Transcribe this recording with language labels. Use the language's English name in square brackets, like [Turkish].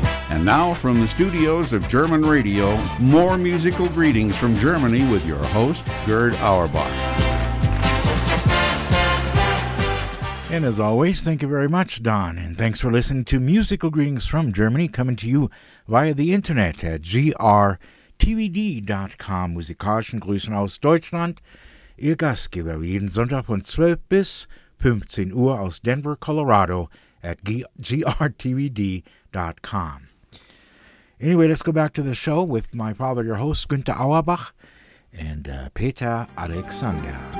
[English] And now from the studios of German Radio, more musical greetings from Germany with your host, Gerd Auerbach. And as always, thank you very much, Don. And thanks for listening to Musical Greetings from Germany, coming to you via the internet at grtvd.com. [German] Musikalischen Grüßen aus Deutschland, Ihr Gastgeber jeden Sonntag von 12 bis 15 Uhr aus Denver, Colorado at grtvd.com. [English] Anyway, let's go back to the show with my father, your host, Günter Auerbach, and Peter Alexander.